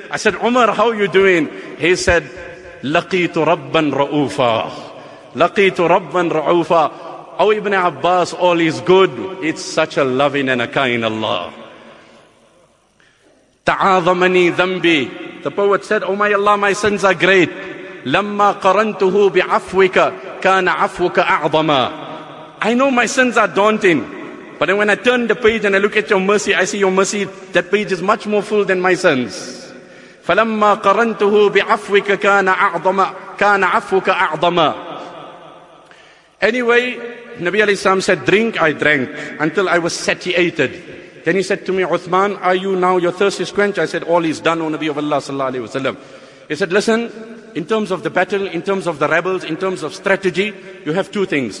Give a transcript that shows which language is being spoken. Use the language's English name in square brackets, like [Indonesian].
[English] I said, Umar, how are you doing? He said, [Arabic] Laqitu Rabban Ra'ufa. Laqitu Rabban Ra'ufa. [English] Oh, Ibn Abbas, all is good. It's such a loving and a kind Allah. [Arabic] تعاظمني ذنبي. [English] The poet said, oh my Allah, my sins are great. [Arabic] لما قرنته بعفوك كان عفوك أعظم. [English] I know my sins are daunting, but then when I turn the page and I look at your mercy, I see your mercy, that page is much more full than my sins. [Arabic] فلما قرنته بعفوك كان عفوك أعظم. [English] Anyway, Nabi alayhi salam said, drink, I drank until I was satiated. Then he said to me, Uthman, are you now, your thirst is quenched? I said, all is done, O Nabi of Allah sallallahu alayhi wa sallam. He said, listen, in terms of the battle, in terms of the rebels, in terms of strategy, you have two things.